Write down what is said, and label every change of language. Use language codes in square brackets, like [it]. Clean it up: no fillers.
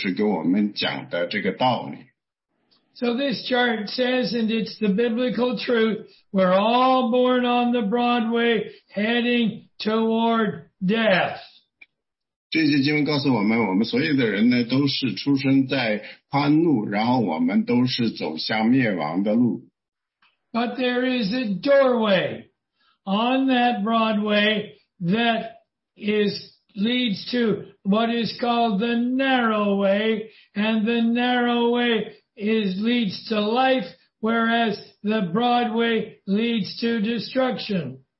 [zh] 大家呢可以放在马太福音的第七章的第十三节，实际上呢，圣经告诉我们，所有的人呢都出生在这个宽路上，然后呢，每一个人都有一个机会改变他的方向。那么马太福音呢七章十三节呢，这就是给我们讲的这个道理。 [en] So this chart says, and it's the biblical truth, we're all born on the Broadway heading toward death. [zh] 这些经文告诉我们，我们所有的人呢，都是出生在宽路，然后我们都是走向灭亡的路。 [en] But there is a doorway on that Broadway that leads to what is called the narrow way, and the narrow way leads to life, whereas the Broadway leads to destruction.